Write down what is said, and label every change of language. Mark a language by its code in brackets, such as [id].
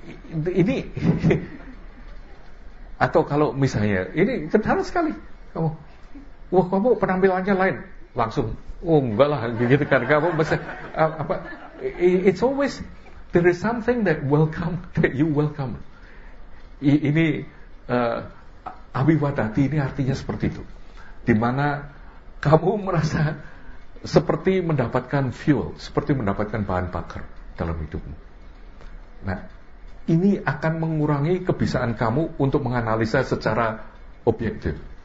[id] Ini, atau kalau misalnya, ini kentara sekali. Kamu, wah kamu penampilannya lain. Langsung, oh enggak lah, gitu kan. Kamu mesti, apa, [en] it's always, there is something that welcome, that you welcome. [id] Ini abhivadati ini artinya seperti itu, di mana kamu merasa seperti mendapatkan fuel, seperti mendapatkan bahan bakar dalam hidupmu. Nah, ini akan mengurangi kebiasaan kamu untuk menganalisa secara objektif.